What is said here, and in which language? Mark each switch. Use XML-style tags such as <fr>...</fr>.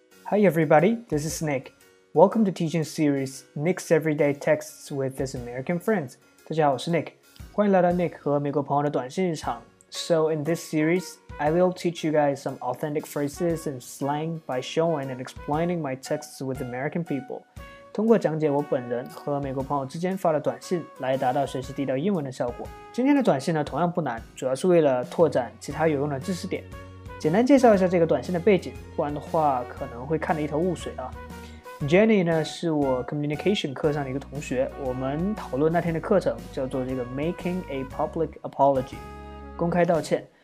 <en>Hi everybody, this is Nick. Welcome to teaching series Nick's Everyday Texts with His American Friends.</en> <zh>大家好，我是 Nick. 欢迎来到 Nick 和美国朋友的短信日常。</zh> <en>So in this series, I will teach you guys some authentic phrases and slang by showing and explaining my texts with American people.</en> <zh>通过讲解我本人和美国朋友之间发的短信来达到学习地道英文的效果。今天的短信呢同样不难，主要是为了拓展其他有用的知识点。简单介绍一下这个短信的背景，不然的话可能会看得一头雾水啊。 Jenny 呢是我 communication 课上的一个同学，我们讨论那天的课程叫做这个</zh> <en>making a public apology，</en> <zh>公开道歉。</zh>